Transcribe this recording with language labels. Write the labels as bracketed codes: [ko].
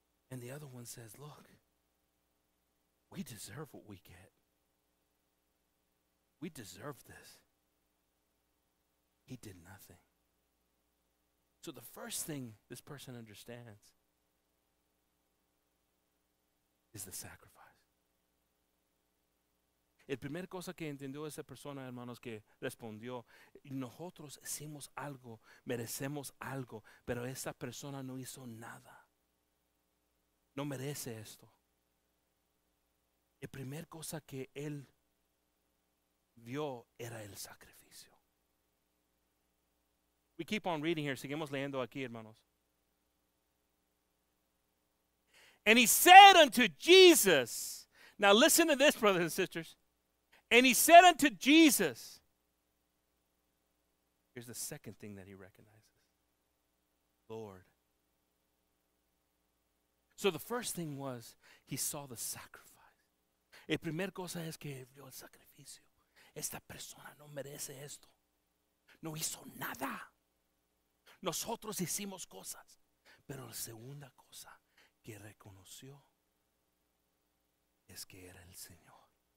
[en] And the other one says, look, we deserve what we get. We deserve this. He did nothing. So the first thing this person understands is the sacrifice. [es] El primer cosa que entendió esa persona, hermanos, que respondió, nosotros hicimos algo, merecemos algo, pero esa persona no hizo nada. No merece esto. El primer cosa que él vio era el sacrificio. [en] We keep on reading here. [es] Seguimos leyendo aquí, hermanos. [en] And he said unto Jesus. Now listen to this, brothers and sisters. And he said unto Jesus. Here's the second thing that he recognizes. Lord. So the first thing was he saw the sacrifice. [es] El primer cosa es que vio el sacrificio. Esta persona no merece esto. No hizo nada. Nosotros hicimos cosas, pero la segunda cosa que reconoció es que era el Señor.